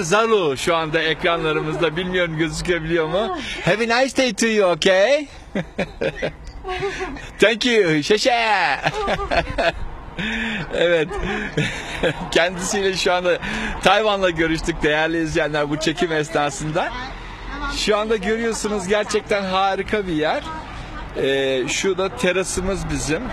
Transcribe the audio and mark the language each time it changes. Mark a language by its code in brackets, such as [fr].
[tr] Zaru şu anda ekranlarımızda. Bilmiyorum gözükebiliyor mu? [en] Have a nice day to you, okay? Thank you, şeşe. [tr] Evet, kendisiyle şu anda Tayvan'la görüştük değerli izleyenler bu çekim esnasında. Şu anda görüyorsunuz gerçekten harika bir yer. Şu da terasımız bizim.